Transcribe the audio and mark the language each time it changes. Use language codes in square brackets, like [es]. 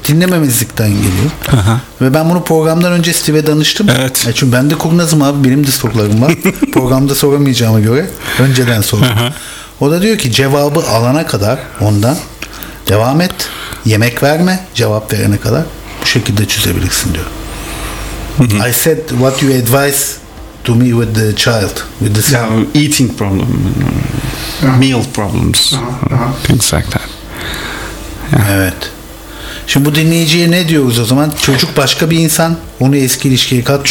[tr] Dinlememezlikten geliyor. Ve ben bunu programdan önce Steve'e danıştım. Evet. Çünkü ben de kurnazım abi. Benim de sorularım var. Programda soramayacağıma göre önceden sorayım. O da diyor ki cevabı alana kadar ondan devam et. Yemek verme. Cevap verene kadar bu şekilde çözebilirsin diyor. [en] I said what you advise to me with the child, with the yeah, eating problem, meal problems, things like that. [tr] Yeah. Evet. Şimdi bu dinleyiciye ne diyoruz o zaman? Çocuk başka bir insan, onu eski ilişkiye katmış.